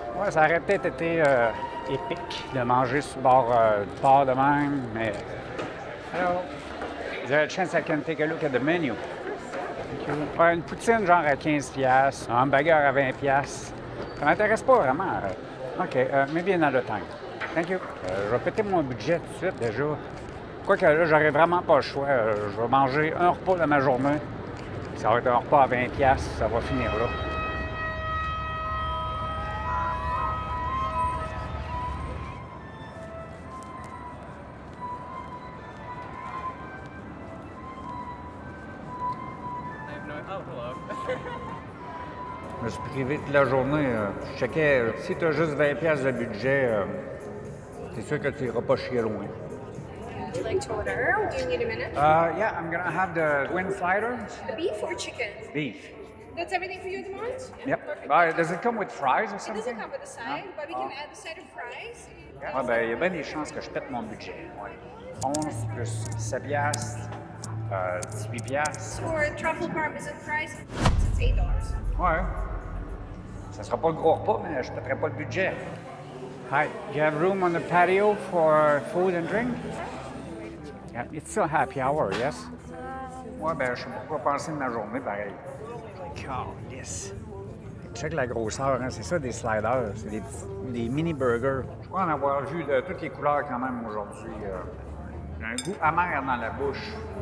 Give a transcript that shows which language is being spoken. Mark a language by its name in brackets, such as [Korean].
[French] Ça aurait peut-être été épique de manger sur le bord du port de même, mais... [English] Hello! Is there a chance I can take a look at the menu? Thank you. [French] Ouais, une poutine genre à 15$, un hamburger à 20$. Ça m'intéresse pas vraiment. [English] OK, maybe another time. Thank you. [French] Je vais péter mon budget tout de suite, déjà. Quoique là, j'aurais vraiment pas le choix. Je vais manger un repas de ma journée. Ça va être un repas à 20$, ça va finir là. Je me suis privé toute la journée. Je checkais, si tu as juste 20$ de budget, c'est sûr que tu n'iras pas chier loin. [English] Would you like to order? Do you need a minute? Yeah, I'm going to have the twin slider. Beef or chicken? Beef. That's everything for you at the moment? Yep. Perfect. Does it come with fries or something? It doesn't come with a side, no? But we can add a side of fries. Yeah. [French] Ah, ben, il y a bien des chances que je pète mon budget. Ouais. 11 plus 7$, 18$. [English] For truffle parmesan fries, it's $8. [French] Ouais. Ça sera pas le gros repas, mais je pèterai pas le budget. [English] Hi, do you have room on the patio for food and drink? Yeah, it's still happy hour, yes? [French] Ouais, ben, je sais pas quoi penser de ma journée, pareil. [English] God, yes. [French] Check la grosseur, hein? C'est ça des sliders, c'est des mini burgers. Je crois en avoir vu de toutes les couleurs quand même aujourd'hui. J'ai un goût amer dans la bouche.